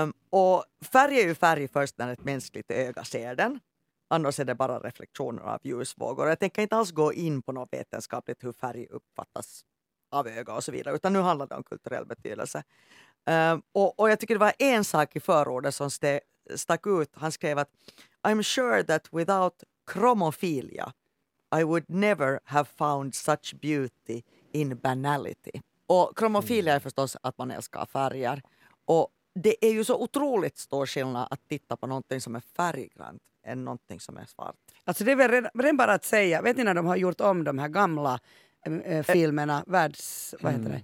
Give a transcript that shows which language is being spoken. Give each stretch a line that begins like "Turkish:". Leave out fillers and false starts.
Swedish: Och färg är ju färg först när ett mänskligt öga ser den. Annars är det bara reflektioner av ljusvågor. Jag tänker inte alls gå in på något vetenskapligt hur färg uppfattas av öga och så vidare. Utan nu handlar det om kulturell betydelse. Och jag tycker det var en sak i förordet som stack ut. Han skrev att
English: I'm sure that without chromophilia I would never have found such beauty in banality.
Swedish: Och kromofilia är förstås att man älskar färger. Och det är ju så otroligt stor skillnad att titta på någonting som är färggrant än någonting som är svart. Alltså det är väl redan bara att säga, vet ni när de har gjort om de här gamla filmerna, vad heter det?